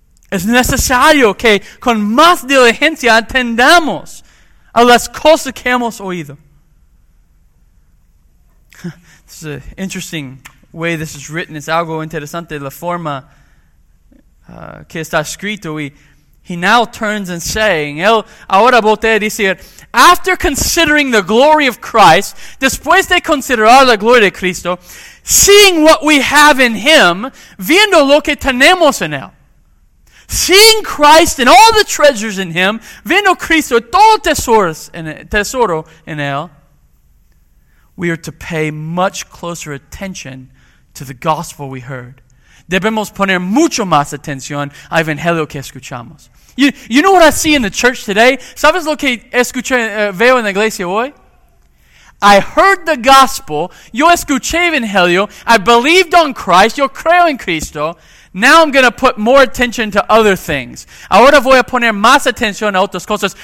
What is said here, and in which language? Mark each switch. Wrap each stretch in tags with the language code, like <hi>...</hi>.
<es>Es necesario que con más diligencia atendamos a las cosas que hemos oído.</es> <en>This is an interesting way this is written. It's</en> <es>algo interesante la forma que está escrito.</es> <en>He now turns and saying,</en> <es>él ahora voltea a decir,</es> <en>after considering the glory of Christ,</en> <es>después de considerar la gloria de Cristo,</es> <en>seeing what we have in Him,</en> <es>viendo lo que tenemos en Él,</es> <en>seeing Christ and all the treasures in Him,</en> <es>viendo Cristo y todo tesoro en Él,</es> <en>we are to pay much closer attention to the gospel we heard.</en> <es>Debemos poner mucho más atención al evangelio que escuchamos.</es> <en>You know what I see in the church today?</en> <es>¿Sabes lo que escuché, veo en la iglesia hoy?</es> <en>I heard the gospel.</en> <es>Yo escuché evangelio.</es> <en>I believed on Christ.</en> <es>Yo creo en Cristo.</es> <en>Now I'm going to put more attention to other things.</en> <es>Ahora voy a poner más atención a otras cosas.</es>